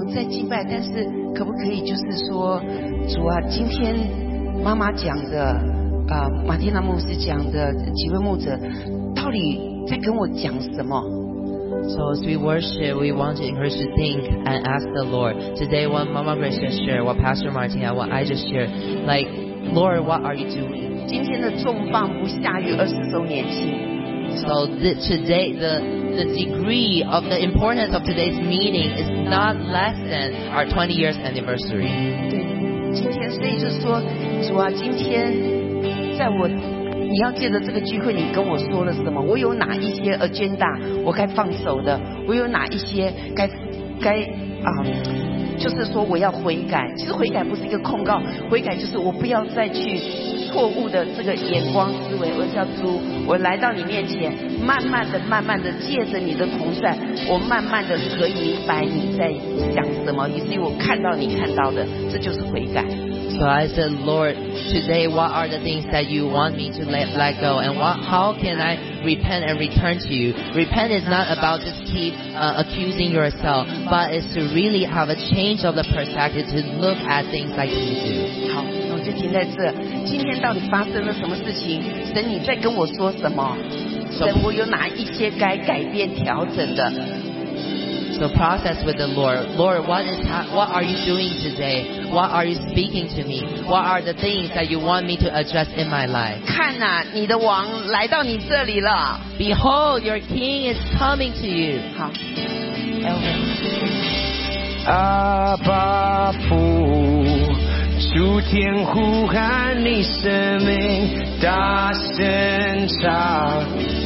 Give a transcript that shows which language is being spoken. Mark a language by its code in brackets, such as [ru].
[zh] 敬拜，但是可不可以就是说，主啊，今天妈妈讲的，马蒂娜牧师讲的，几位牧者到底在跟我讲什么？ [en] So as we worship, we want to encourage to think and ask the Lord. Today, what Mama Grace just shared, what Pastor Martin and what I just shared, like, Lord, what are you doing? [zh] 今天的重磅不下于二十周年庆。 [en] So today, the degree of the importance of today's meeting is not less than our 20 years anniversary. [zh] 对，今天所以就是说，主啊，今天在我，你要借着这个聚会，你跟我说了什么？我有哪一些 agenda 我该放手的？我有哪一些该就是说我要悔改。其实悔改不是一个控告，悔改就是我不要再去。错误的这个眼光思维，我叫猪，我来到你面前，慢慢的借着你的同在，我慢慢的可以明白你在想什么，以至于我看到你看到的，这就是悔改。 [en] So I said, Lord, today, what are the things that you want me to let go? And how can I repent and return to you? Repent is not about just keep accusing yourself, but it's to really have a change of the perspective to look at things like you do. [zh] 好，我就停在这。今天到底发生了什么事情？神，你在跟我说什么？神，我有哪一些该改变调整的？ [en] So process with the Lord. Lord, what are you doing today? What are you speaking to me? What are the things that you want me to address in my life? [zh] 看啊，你的王来到你这里了。 [en] Behold, your king is coming to you. [zh] 好。阿爸父，诸天呼喊你圣名，大声唱。